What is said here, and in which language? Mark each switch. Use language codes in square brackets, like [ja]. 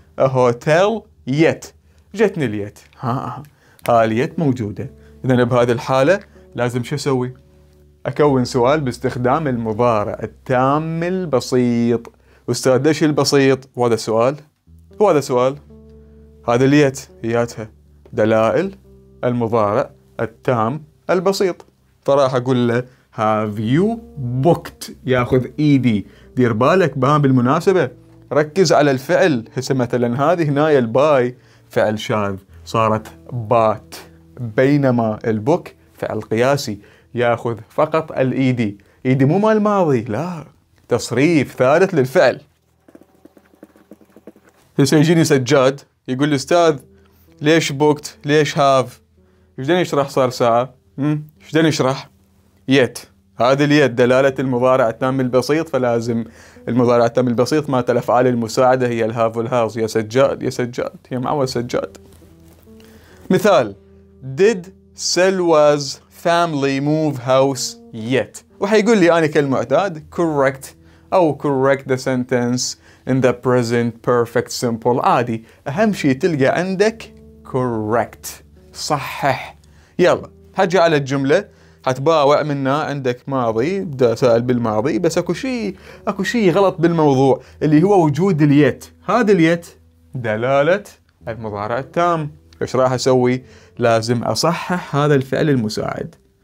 [en] A hotel yet، [ar] جتني اليت، ها اليت موجودة، إذن بهذه الحالة لازم شو أسوي؟ أكون سؤال باستخدام المضارع التام البسيط. أستاذ ليش البسيط؟ وهذا سؤال، وهذا سؤال، هذا اليت هياتها دلائل المضارع التام البسيط. فراح أقول له [en] Have you booked؟ [ar] ياخذ ايدي. دير بالك بها بالمناسبة ركز على الفعل. هسه مثلا هذه هنايا الباي فعل شاذ صارت بات، بينما البوك فعل قياسي ياخذ فقط الايدي. ايدي مو مال ماضي، لا، تصريف ثالث للفعل. هسه يجيني سجاد يقول لي استاذ ليش بوكت ليش هاف، شلون يشرح صار ساعة؟ شلون يشرح؟ يت، هذه اليد دلالة المضارع التام البسيط، فلازم المضارع التام البسيط مع الأفعال المساعدة هي الهاف والهاز. يا سجاد يا سجاد يا معود سجاد. [en] مثال: Did Selwa's family move house yet؟ [ar] وحيقول لي أنا كالمعتاد [en] correct أو correct the sentence in the present perfect simple. [ar] عادي، أهم شيء تلقى عندك correct، صحح. يلا هجي على الجملة، هتباوع منها عندك ماضي بدأ سأل بالماضي، بس أكو شيء غلط بالموضوع اللي هو وجود اليت. هذا اليت دلالة المضارع التام، إيش راح أسوي؟ لازم أصحح هذا الفعل المساعد.